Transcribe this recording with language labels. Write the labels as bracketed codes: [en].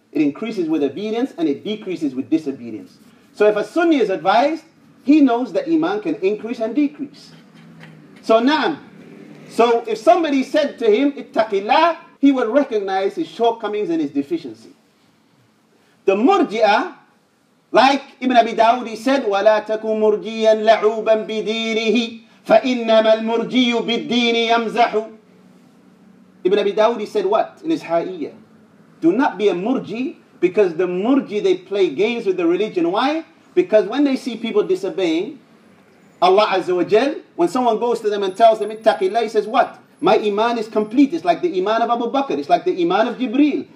[en] It increases with obedience and it decreases with disobedience. So if a Sunni is advised, he knows that iman can increase and decrease. So na'am. So if somebody said to him, ittaqillah, he will recognize his shortcomings and his deficiency. The murji'ah, like Ibn Abi Dawud, he said, [ar] وَلَا تَكُ مُرْجِيًا لَعُوبًا بِدِينِهِ فَإِنَّمَا الْمُرْجِيُ بِالدِّينِ يَمْزَحُ. [en] Ibn Abi Dawud, he said what? In his Hā'iyya. Do not be a murji, because the murji, they play games with the religion. Why? Because when they see people disobeying Allah Azza wa Jal, when someone goes to them and tells them, ittaqillah, he says what? My iman is complete. It's like the iman of Abu Bakr. It's like the iman of Jibreel.